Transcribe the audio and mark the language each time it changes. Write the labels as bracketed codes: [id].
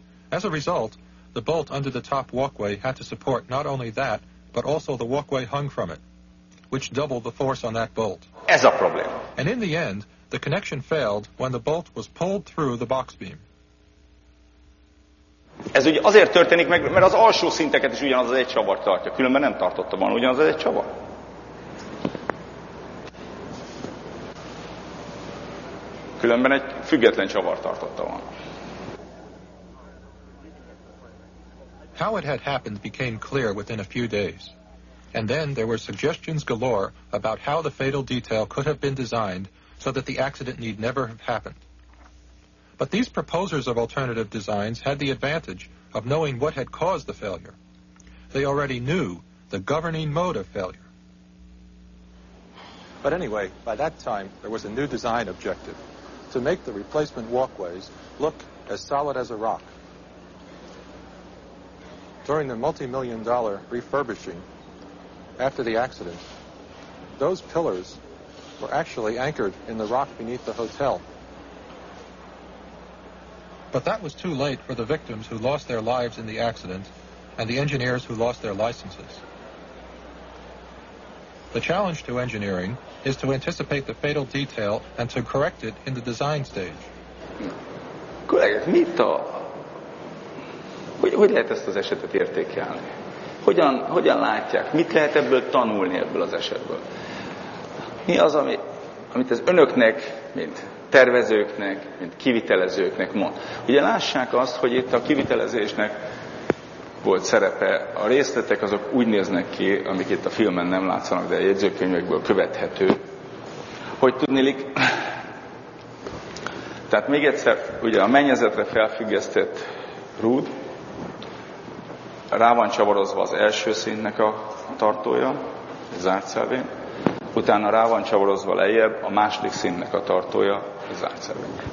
[en] As a result, the bolt under the top walkway had to support not only that, but also the walkway hung from it, which doubled the force on that bolt. [hu] Ez a probléma. [en] And in the end, the connection failed when the bolt was pulled through the box beam. [hu] Ez ugye azért történik meg, mert az alsó szinteket is ugyanaz egy csavar tartja, különben nem tartotta volna ugyanaz egy csavar. Különben egy független csavar tartotta volna. [en] How it had happened became clear within a few days. And then there were suggestions galore about how the fatal detail could have been designed so that the accident need never have happened. But these proposers of alternative designs had the advantage of knowing what had caused the failure. They already knew the governing mode of failure. But anyway, by that time, there was a new design objective, to make the replacement walkways look as solid as a rock. During the multi-million dollar refurbishing after the accident, those pillars were actually anchored in the rock beneath the hotel. But that was too late for the victims who lost their lives in the accident and the engineers who lost their licenses. The challenge to engineering is to anticipate the fatal detail and to correct it in the design stage. [hu] Kollégák, mit a... Hogy lehet ezt az esetet értékelni? Hogyan látják? Mit lehet ebből tanulni ebből az esetből? Mi az, amit ez önöknek, mint tervezőknek, mint kivitelezőknek mond. Ugye lássák azt, hogy itt a kivitelezésnek volt szerepe, a részletek azok úgy néznek ki, amik itt a filmen nem látszanak, de a jegyzőkönyvekből követhető, hogy tudnélik, tehát még egyszer, ugye a mennyezetre felfüggesztett rúd, rá van csavarozva az első szintnek a tartója, a zárt szelvén, utána rá van csavarozva lejjebb a második szintnek a tartója, az átszerűen.